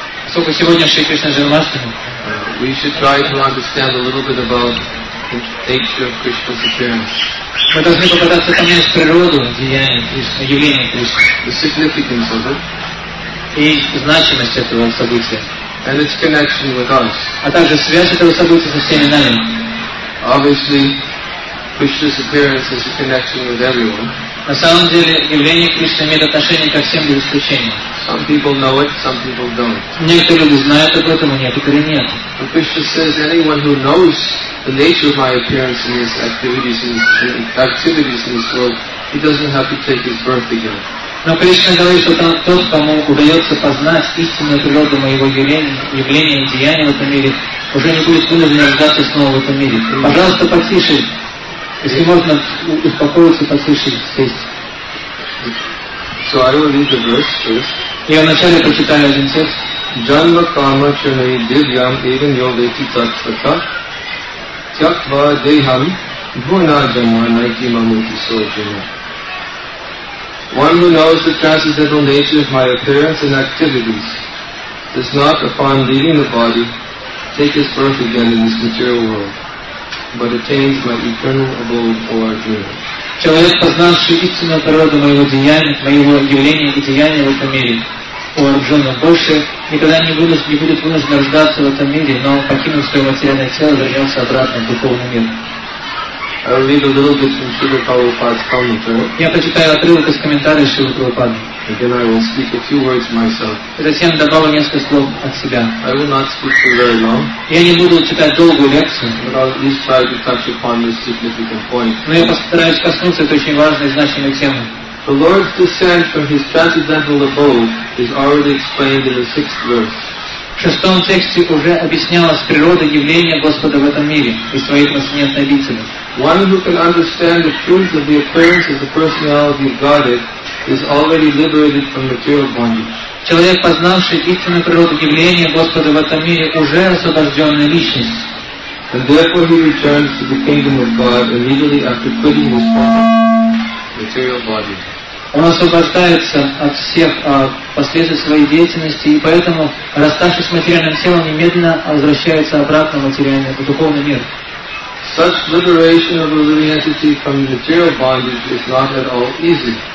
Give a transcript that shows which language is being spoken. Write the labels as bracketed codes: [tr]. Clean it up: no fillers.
[ru] Сколько сегодня Шри Кришна Джанмаштами? [en] We should try to understand a little bit about the nature of Krishna's appearance. [ru] Мы должны попытаться понять природу деяния, явления Кришны. [en] The significance of it. [ru] И значимость этого события. [en] And its connection with us. [ru] А также связь этого события со всеми нами. [en] Obviously, Krishna's appearance is a connection with everyone. [ru] На самом деле, явление Кришны имеет отношение ко всем без исключения. [en] Some people know it, some people don't. [ru] Некоторые люди знают об этом, а некоторые нет. [en] But Krishna says, anyone who knows the nature of my appearance and his activities in this world, he doesn't have to take his birth again. [ru] Но Кришна говорит, что тот, кому удается познать истинную природу моего явления и деяния в этом мире, уже не будет вынужден рождаться снова в этом мире. Пожалуйста, потише. Если можно успокоиться, послушать, сесть. [en] So I will read the verse first. [ru] Я вначале прочитаю один текст. [sa] Janma karma chunai divyam even yogeti tatvata tyaktva deham bhuna janma naiti mamuti sojana. [en] One who knows the transcendental nature of my appearance and activities does not, upon leaving the body, take his birth again in this material world, but attains my eternal abode, O Arjuna. [ru] Человек, познавший истинную природу моего деяния, моего явления и деяния в этом мире, О Арджуна, больше никогда не будет вынужден рождаться в этом мире, но покинув свое материальное тело, вернется обратно в духовный мир. [en] I'll read a little bit from Śrīla Prabhupāda's commentary. [ru] Я прочитаю отрывок из комментария Śrīla Prabhupāda. [en] Then I will speak a few words myself. [ru] Затем добавлю несколько слов от себя. [en] I will not speak for very long. [ru] Я не буду читать долгую лекцию. [en] But I'll at least try to touch upon this significant point. [ru] Но я постараюсь коснуться этой очень важной и значимой темы. [en] The Lord's descent from His transcendental abode is already explained in the sixth verse. [ru] В шестом тексте уже объяснялась природа явления Господа в этом мире и своей трансцендентной обители. [en] One who can understand the truth of the appearance of the personality of Godhead is already liberated from material bondage. [ru] Человек, познавший истинную природу явления Господа в этом мире, уже освобожденная личность. [en] And therefore he returns to the kingdom of God immediately after quitting his material body. [ru] Он освобождается от всех последствий своей деятельности, и поэтому, расставшись с материальным телом, немедленно возвращается обратно в материальный, в духовный мир. [en] Such liberation of a living entity from material bondage is not at all easy.